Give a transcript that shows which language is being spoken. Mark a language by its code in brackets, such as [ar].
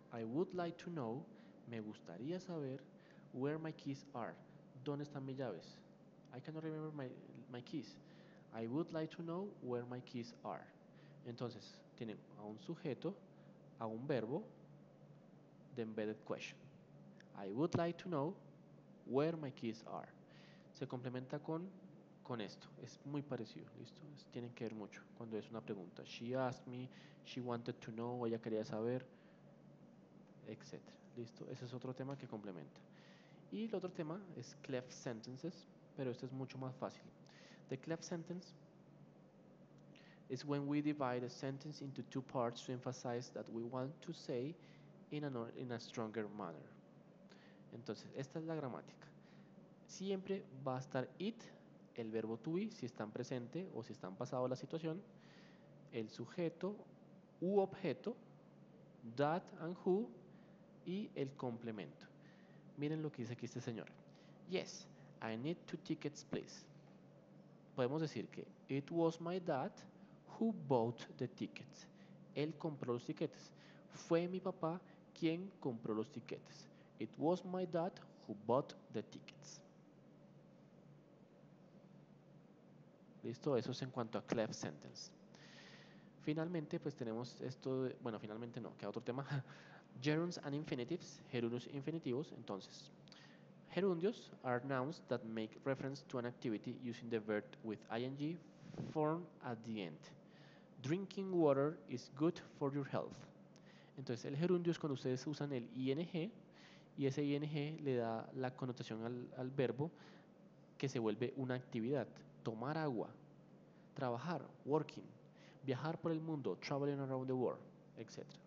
[en] I would like to know, [es] me gustaría saber, [en] where my keys are. [es] ¿Dónde están mis llaves? [en] I cannot remember my keys. I would like to know where my keys are. [es] Entonces, tienen a un sujeto, a un verbo, the embedded question. [en] I would like to know where my keys are. [es] Se complementa con esto, es muy parecido, ¿listo? Tienen que ver mucho cuando es una pregunta. [en] She asked me, she wanted to know, [es] ella quería saber, etc. ¿Listo? Ese es otro tema que complementa. Y el otro tema es cleft sentences, pero este es mucho más fácil. [en] The cleft sentence is when we divide a sentence into two parts to emphasize that we want to say in a stronger manner. [es] Entonces, esta es la gramática. Siempre va a estar it, el verbo to be, si están presente o si están pasado la situación, el sujeto u objeto, that and who, y el complemento. Miren lo que dice aquí este señor. [en] Yes, I need two tickets, please. [es] Podemos decir que [en] it was my dad who bought the tickets. [es] Él compró los tiquetes. Fue mi papá quien compró los tiquetes. [en] It was my dad who bought the tickets. [es] ¿Listo? Eso es en cuanto a cleft sentence. Finalmente, pues tenemos esto de, bueno, finalmente no, queda otro tema. [en] Gerunds and infinitives, [es] gerundios infinitivos, entonces. [en] Gerundios are nouns that make reference to an activity using the verb with ing form at the end. Drinking water is good for your health. [es] Entonces, el gerundio es cuando ustedes usan el ing y ese ing le da la connotación al verbo que se vuelve una actividad. Tomar agua, trabajar, [en] working, [es] viajar por el mundo, [en] traveling around the world, [es] etc.